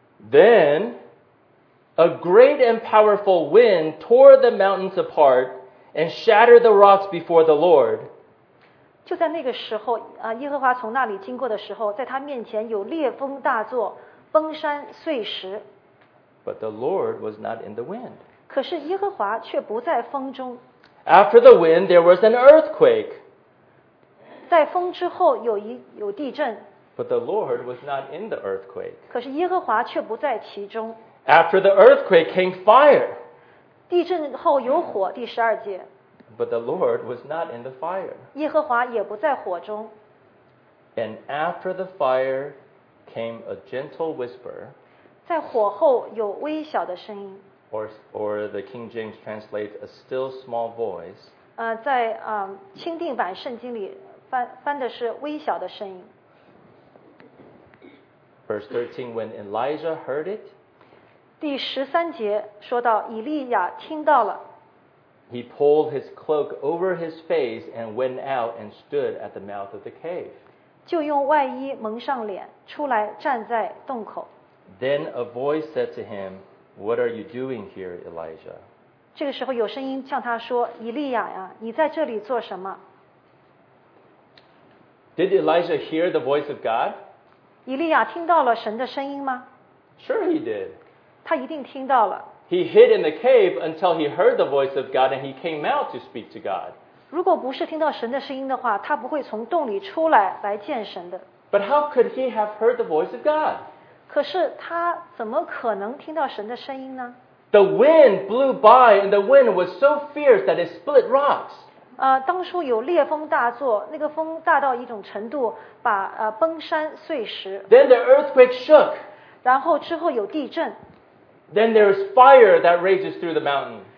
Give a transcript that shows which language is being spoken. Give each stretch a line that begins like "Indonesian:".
English: Then, a great and powerful wind tore the mountains apart and shattered the rocks before the Lord.
Chinese: 就在那个时候，耶和华从那里经过的时候，在他面前有烈风大作。崩山碎石。
English: But the Lord was not in the wind.
Chinese: 可是耶和华却不在风中。
English: After the wind, there was an earthquake.
Chinese: 在风之后有地震。
English: But the Lord was not in the earthquake.
Chinese: 可是耶和华却不在其中。
English: After the earthquake came fire.
Chinese: 地震后有火，第十二节。
English: But the Lord was not in the fire.
Chinese: 耶和华也不在火中。
English: And after the fire came a gentle whisper.
Chinese: 在火后有微小的声音。
English: Or the King James translates a still small voice.
Chinese: 在钦定版圣经里翻的是微小的声音。
English: Verse 13, when Elijah heard it.
Chinese: 第十三节说到以利亚听到了。
English: He pulled his cloak over his face and went out and stood at the mouth of the cave.
Chinese: 就用外衣蒙上脸，出来站在洞口。
English: Then a voice said to him, What are you doing here, Elijah?
Chinese: 这个时候有声音向他说，以利亚呀，你在这里做什么？
English: Did Elijah hear the voice of God?
Chinese: 以利亚听到了神的声音吗？
English: Sure he did.
Chinese: 他一定听到了。
English: He hid in the cave until he heard the voice of God and he came out to speak to God.
Chinese: 如果不是听到神的声音的话，他不会从洞里出来见神的。
English: But how could he have heard the voice of God?
Chinese: 可是他怎么可能听到神的声音呢？
English: The wind blew by and the wind was so fierce that it split rocks.
Chinese: 当初有烈风大作，那个风大到一种程度把崩山碎石。
English: Then the earthquake shook.
Chinese: 然后之后有地震。
English: Then there is fire that rages through the mountain.